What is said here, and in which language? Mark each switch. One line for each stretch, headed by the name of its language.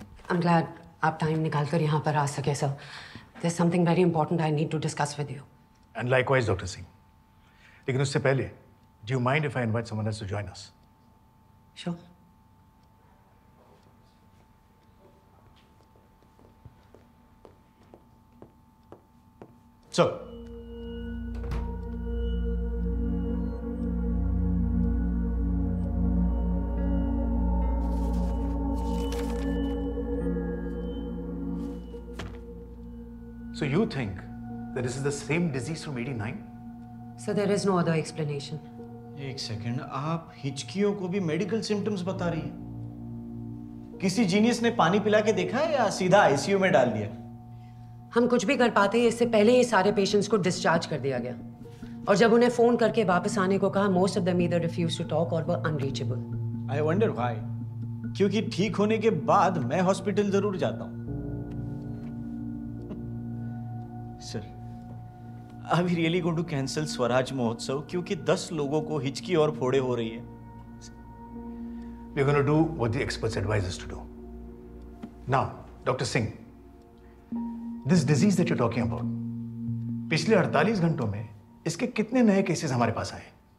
English: I'm glad
Hindi: आप time निकाल कर यहाँ पर आ सके sir.
English: There's something very important I need to discuss with you. And likewise, Dr. Singh.
Hindi: लेकिन उससे पहले,
English: do you mind if I invite someone else to join us? Sure. Sir. So you think that this is the same disease from 89? So there is no other explanation.
Hindi: एक second, आप हिचकियों को भी medical symptoms बता रही हैं? किसी genius ने पानी पिला के देखा है या सीधा आईसीयू में डाल दिया? हम कुछ भी कर पाते इससे पहले ही सारे पेशेंट्स को डिस्चार्ज कर दिया गया और जब उन्हें फोन करके वापस आने को कहा
English: Most of them either refused to talk or were unreachable. I wonder why.
Hindi: क्योंकि ठीक होने के बाद मैं हॉस्पिटल जरूर जाता हूँ.
English: Are we really going to cancel Swaraj Mahotsav
Hindi: क्योंकि 10 लोगों को हिचकी और फोड़े हो रही है?
English: We are going to do what the experts advise us to do. Now, Dr.
Hindi: Singh,
English: this disease that you're talking about,
Hindi: पिछले 48 घंटों में इसके कितने नए केसेस हमारे पास आए?